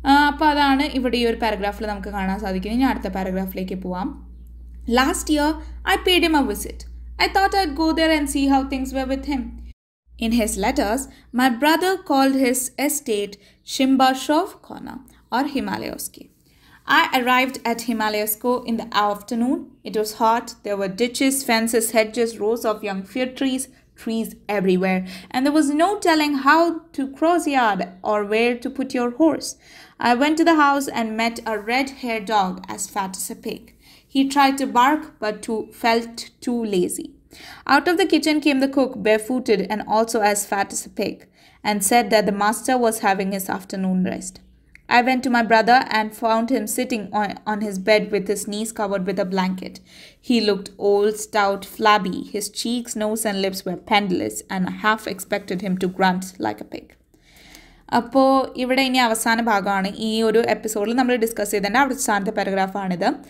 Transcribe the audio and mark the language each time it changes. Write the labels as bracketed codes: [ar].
[ml] അപ്പോൾ അതാണ് ഇവിടെ ഈ ഒരു പാരഗ്രാഫിൽ നമുക്ക് കാണാൻ സാധിക്കുന്നത്. ഞാൻ അടുത്ത പാരഗ്രാഫിലേക്ക് പോവാം. [en] Last year I paid him a visit. I thought I go there and see how things were with him. In his letters my brother called his estate Shimbashov corner or Himalayoski. I arrived at Himalayasco in the afternoon. It was hot. There were ditches, fences, hedges, rows of young fir trees everywhere. And there was no telling how to cross yard or where to put your horse. I went to the house and met a red-haired dog as fat as a pig. He tried to bark but felt too lazy. Out of the kitchen came the cook, barefooted and also as fat as a pig, and said that the master was having his afternoon rest. I went to my brother and found him sitting on his bed with his knees covered with a blanket. He looked old, stout, flabby. His cheeks, nose and lips were pendulous and I half expected him to grunt like a pig. [ml] അപ്പോൾ ഇവിടെ ഇനി അവസാന ഭാഗമാണ്. ഈ ഒരു എപ്പിസോഡിൽ നമ്മൾ discuss ചെയ്തതിൻ്റെ അവസാനത്തെ പാരഗ്രാഫാണിത്.